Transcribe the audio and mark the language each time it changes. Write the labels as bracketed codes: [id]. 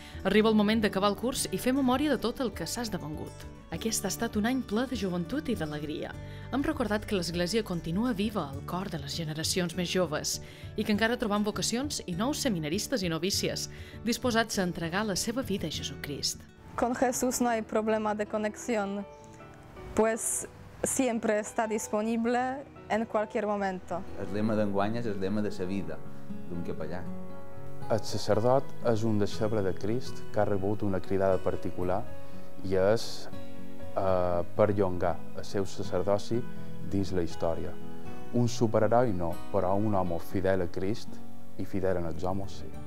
[ca] Arriba el moment d'acabar el curs i fer memòria de tot el que s'ha esdevingut. Aquest ha estat un any ple de joventut i d'alegria. Hem recordat que l'Església continua viva al cor de les generacions més joves i que encara trobam vocacions i nous seminaristes i novícies disposats a entregar la seva vida a Jesucrist. [es] Con Jesús no hay problema de conexión, pues siempre está disponible en cualquier momento. [ca] El lema d'enguany és el lema de sa vida, d'un capellà. El sacerdot és un deixeble de Crist que ha rebut una cridada particular i és perllongar el seu sacerdoci dins la història. Un superheroi no, però un home fidel a Crist i fidel en els homes sí.